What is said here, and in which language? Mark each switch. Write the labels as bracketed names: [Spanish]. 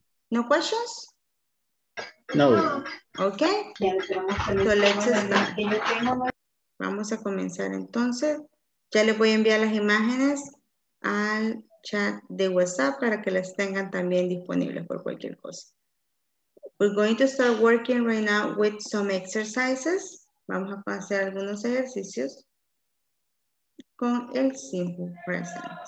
[English] No questions? No. Okay. So let's start. [Spanish] Vamos a comenzar entonces. Ya les voy a enviar las imágenes al chat de WhatsApp para que las tengan también disponibles por cualquier cosa. [English] We're going to start working right now with some exercises. [Spanish] Vamos a hacer algunos ejercicios con el simple present.